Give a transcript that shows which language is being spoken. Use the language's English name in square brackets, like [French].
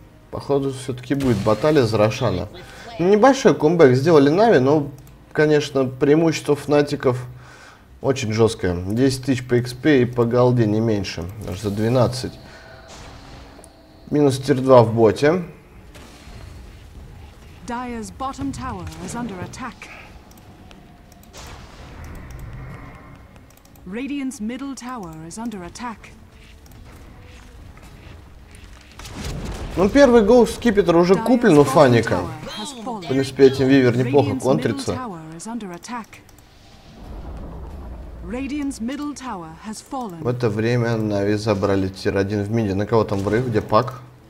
[Russian] Походу, все-таки будет баталия за Рошана. Небольшой кумбэк сделали Нави, но, конечно, преимущество Фнатиков очень жесткое. 10 тысяч по XP и по голде не меньше, даже за 12. Минус тир 2 в боте. [English] Dire's bottom tower is under attack. Radiant's middle tower is under attack. [Russian] Ну, первый гоу скипетр уже куплен у Фаника. В принципе, этим вивер неплохо контрится. В это время Нави забрали тир 1 в миде. На кого там врыв? Где пак?